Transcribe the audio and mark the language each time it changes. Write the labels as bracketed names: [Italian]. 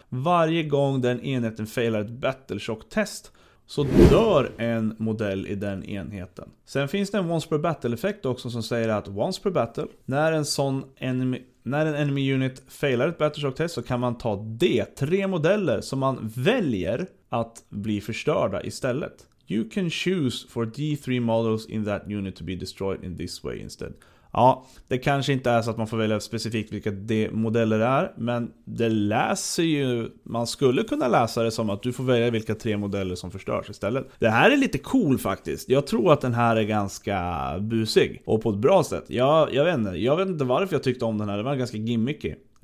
[Swedish] Varje gång den enheten failar ett battle shock test så dör en modell i den enheten. Sen finns det en once per battle effekt också som säger att once per battle, när en sån enemy, när en enemy unit failar ett battle shock test, så kan man ta D3 modeller som man väljer att bli förstörda istället. [English] You can choose for D3 models in that unit to be destroyed in this way instead. [Swedish] Ja, det kanske inte är så att man får välja specifikt vilka D-modeller det är, men det läser ju, man skulle kunna läsa det som att du får välja vilka tre modeller som förstörs istället. Det här är lite cool faktiskt. Jag tror att den här är ganska busig och på ett bra sätt. Jag vet inte varför jag tyckte om den här. Det var ganska gimmicky.